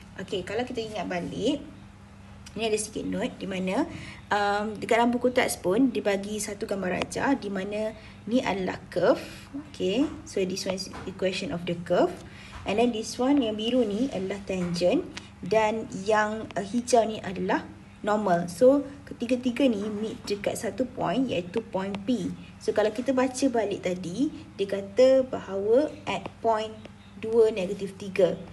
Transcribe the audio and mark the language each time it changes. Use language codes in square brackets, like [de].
[ms] Okay, kalau kita ingat balik, ini ada sikit note di mana dekat dalam buku teks pun dia bagi satu gambar rajah di mana ni adalah curve. [en] Okay, so this one is equation of the curve. And then this one [ms] yang biru ni adalah tangent dan yang hijau ni adalah normal. So ketiga-tiga ni meet dekat satu point iaitu point P. So kalau kita baca balik tadi, dia kata bahawa [en] at point 2 negative 3.